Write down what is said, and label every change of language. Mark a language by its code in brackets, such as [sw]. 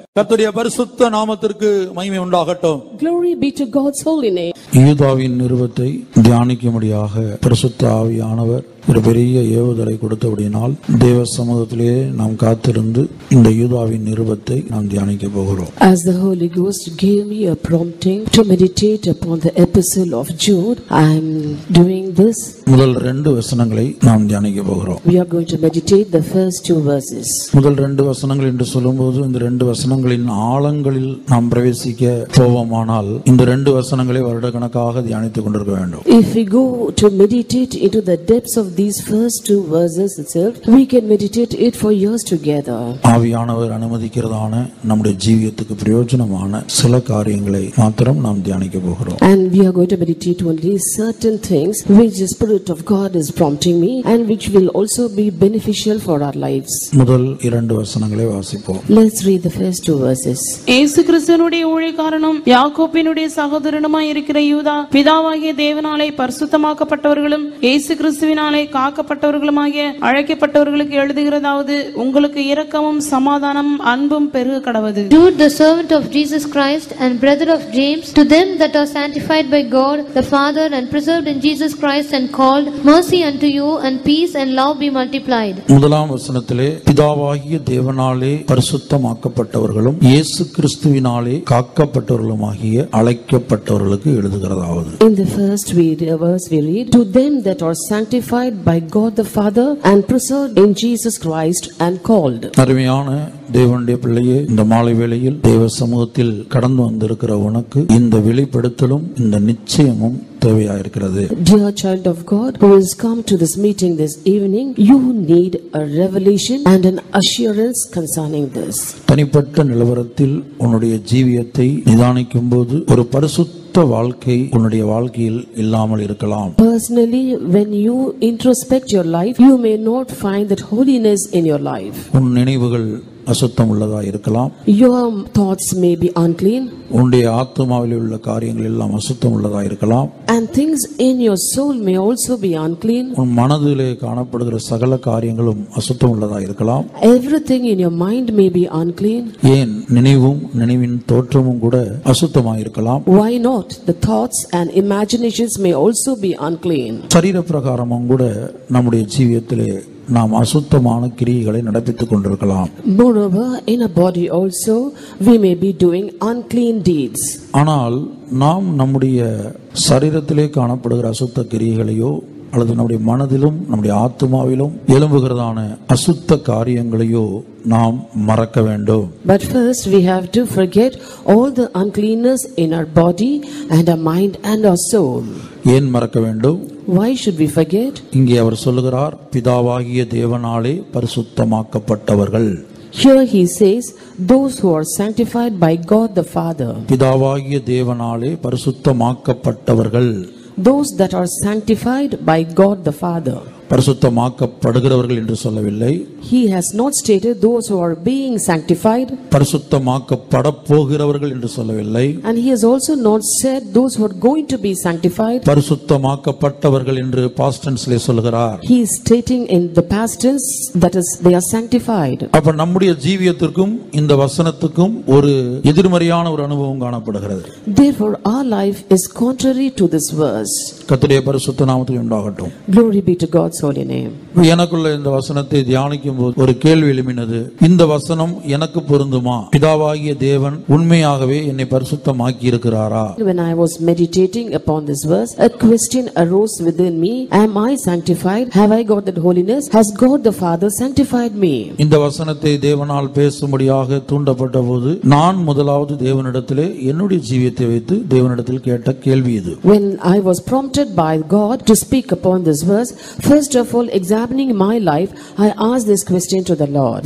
[ta] கர்த்தருடைய பரிசுத்த நாமத்திற்கு மகிமை உண்டாகட்டும் [en] Glory be to God's holy name [ta] யூதாவின் நிருபத்தை தியானிக்கும்படியாக பரிசுத்த ஆவியானவர் ஒரு பெரிய ஏவுதலை கொடுத்தபடியினால் தேவ சமூகத்திலே நாம் காத்திருந்து இந்த யூதாவின் நிருபத்தை நாம் தியானிக்க போகிறோம் [en] As the Holy Ghost gave me a prompting to meditate upon the epistle of Jude I am doing this [ta] முதல் ரெண்டு வசனங்களை நாம் தியானிக்க போகிறோம் [en] We are going to meditate the first two verses [ta] முதல் ரெண்டு வசனங்கள் என்று சொல்லும்போது இந்த ரெண்டு வசனங்களின் ஆழங்களில் நாம் பிரவேசிக்க போவோமானால் இந்த ரெண்டு வசனங்களை வருடக்கணக்காக தியானித்துக் கொண்டிருக்க வேண்டும் [en] If we go to meditate into the depths of these first two verses itself we can meditate it for years together [ta] ஆவியானவர் அனுமதிக்கிறதான நம்முடைய ஜீவியத்துக்கு பிரயோஜனமான சில காரியங்களை மட்டும் நாம் தியானிக்க போகிறோம் [en] and we are going to meditate only certain things which the spirit of god is prompting me and which will also be beneficial for our lives [ta] முதல் இரண்டு வசனங்களை வாசிப்போம் [en] let's read the first two verses [ta] இயேசு கிறிஸ்துவின் ஊழியக்காரனும் யாக்கோபினுடைய சகோதரனுமாய் இருக்கிற யூதா பிதாவாகிய தேவனாலே பரிசுத்தமாக்கப்பட்டவர்களும் இயேசு கிறிஸ்து வினாலே காக்கப்பட்டவர்களாகிய அழைக்கப்பட்டவர்களுக்கு எழுதுகிறதாவது உங்களுக்கு இரக்கமும் சமாதானமும் அன்பும் பெருகுகடவது [en] Jude the servant of Jesus Christ and brother of James to them that are sanctified by God the Father and preserved in Jesus Christ and called mercy unto you and peace and love be multiplied [ta] முதலாம் வசனத்திலே பிதாவாகிய தேவனாலே பரிசுத்தமாக்கப்பட்டவர்களும் இயேசு கிறிஸ்துவினாலே காக்கப்பட்டவர்களுமாகிய அழைக்கப்பட்டவர்களுக்கு எழுதுகிறதாவது [en] In the first verse we read to them that are sanctified by God the Father and preserved in Jesus Christ and called [ta] அருமையான தேவனுடைய பிள்ளையே இந்த மாலை வேளையில் தேவ சமூகத்தில் கடந்து வந்திருக்கிற உனக்கு இந்த வெளிப்படுத்தலும் இந்த நிச்சயமும் [en] Dear child of God who has come to this meeting this evening you need a revelation and an assurance concerning this [ta] தனிப்பட்ட நிலவரத்தில் உன்னுடைய ஜீவியத்தை நிதானிக்கும்போது ஒரு பரிசுத்த வாழ்க்கை உன்னுடைய வாழ்க்கையில் இல்லாமல் இருக்கலாம் [en] Personally when you introspect your life you may not find that holiness in your life [ta] உன் நினைவுகள் அசுத்தம் உள்ளதா இருக்கலாம் [en] your thoughts may be unclean [ta] உன்னுடைய ஆத்மாவில் உள்ள காரியங்கள் எல்லாம் அசுத்தம் உள்ளதா இருக்கலாம் [en] and things in your soul may also be unclean [ta] உன் மனதிலே காணப்படுகிற சகல காரியங்களும் அசுத்தம் உள்ளதா இருக்கலாம் [en] everything in your mind may be unclean [ta] ஏன் நினைவும் நினைவின் தோற்றமும் கூட அசுத்தமாக இருக்கலாம் [en] why not the thoughts and imaginations may also be unclean [ta] சரீர பிரகாரமும் கூட நம்முடைய ஜீவியத்திலே நாம் அசுத்தமான கிரியைகளை நடத்திக் கொண்டிருக்கலாம் [en] Moreover in a body also we may be doing unclean deeds [ta] ஆனால் நாம் நம்முடைய சரீரத்திலே காணப்படுகிற அசுத்த கிரியைகளையோ அல்லது நம்முடைய மனதிலும் நம்முடைய ஆத்மாவிலும் எழும்புகிறதான அசுத்த காரியங்களையோ நாம் மறக்க வேண்டும் [en] But first we have to forget all the uncleanness in our body and our mind and our soul [ta] ஏன் மறக்க வேண்டும் [en] Why should we forget [ta] இங்கே அவர் சொல்கிறார் பிதாவாகிய தேவனாலே பரிசுத்தமாக்கப்பட்டவர்கள் [en] Here he says those who are sanctified by God the Father [ta] பிதாவாகிய தேவனாலே பரிசுத்தமாக்கப்பட்டவர்கள் [en] those that are sanctified by God the Father [ta] பரிசுத்தமாக்கப்படுகிறவர்கள் என்று சொல்லவில்லை [en] he has not stated those who are being sanctified [ta] பரிசுத்தமாக்கப்பட போகிறவர்கள் என்று சொல்லவில்லை [en] and he has also not said those who are going to be sanctified [ta] பரிசுத்தமாக்கப்பட்டவர்கள் என்று past tenseலே சொல்கிறார் [en] he is stating in the past tense that is they are sanctified [ta] அப்ப நம்முடைய ஜீவியத்துக்கும் இந்த வசனத்துக்கும் ஒரு எதிர்மறையான ஒரு அனுபவம் காணப்படுகிறது [en] therefore our life is contrary to this verse [ta] கர்த்தருடைய பரிசுத்த நாமத்துக்கு உண்டாகட்டும் [en] glory be to god God's holy name [ta] எனக்குள்ள இந்த வசனத்தை தியானிக்கும் போது ஒரு கேள்வி எழுகிறது இந்த வசனம் எனக்கு பொருந்துமா பிதாவாகிய தேவன் உண்மையாகவே என்னை பரிசுத்தமாக்கி இருக்கிறாரா [en] when I was meditating upon this verse a question arose within me am I sanctified have I got that holiness has god the father sanctified me [ta] இந்த வசனத்தை தேவனால் பேசும்படியாக தூண்டப்பட்ட போது நான் முதலாவது தேவனிடத்திலே என்னுடைய ஜீவியத்தை வைத்து தேவனிடத்தில் கேட்ட கேள்வி இது [en] when I was prompted by god to speak upon this verse First of all examining my life I asked this question to the Lord